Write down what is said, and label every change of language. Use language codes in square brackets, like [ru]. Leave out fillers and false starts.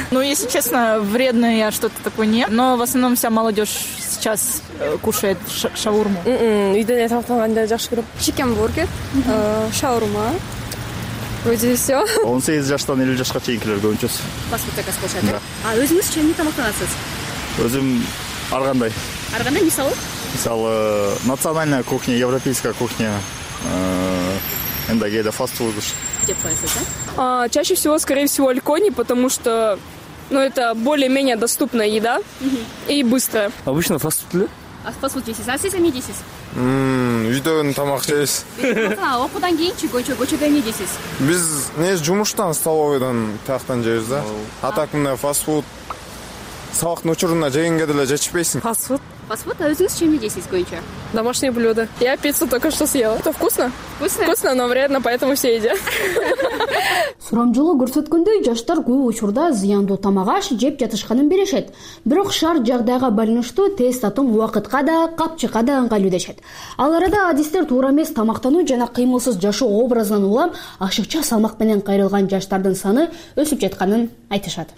[ru] Ну, если честно, вредно я что-то такое не ем. Но в основном вся молодежь сейчас кушает шаурму. [ky] Үйдө эле тамактанганды жакшы көрөм. [ru] Чикен бургер, шаурма. Вроде все. [ky] 18 жаштан 50 жашка чейинкилер көбүнчөсү. Фастфудтан кошулат. А өзүңүз эмне тамактанасыз? Өзүм ар кандай. Ар кандай мисалы? [ru] Мисалы национальная кухня, европейская кухня. [ky] Эмда кээде фастфуд. Деп коесуз, да? [ru] Чаще всего, скорее всего, Алькони, потому что это более-менее доступная еда и быстрая. Обычно фастфуд ли? [ky] А фастфуд жейсиз, а сиз эмне жейсиз? Үйдөгүн тамак жейбиз. Окуудан кийинчи көчөдө эмне жейсиз? Биз негизи жумуштан, столовойдон тияктан жейбиз да. А так мындай фастфуд сабактын учурунда жегенге деле жетишпейсиң. Фастфуд. Фастфуд, а өзүңүз эмне жейсиз көбүнчө? [ru] Домашнее блюдо. Я пиццу только что съела. Это вкусно? Вкусно. Вкусно, но вредно, поэтому все едят. [ky] Сурамжылуу көрсөткөндөй, жаштар көп учурда зыяндуу тамак аш жеп жатышканын беришет. Бирок шаар жагдайга байланыштуу тез татым убакытка да, капчыкка да ыңгайлуудешет. Ал арада адистер туура эмес тамактануу жана кыймылсыз жашоо образынан улам ашыкча салмак менен кайрылган жаштардын саны өсүп жатканын айтышат.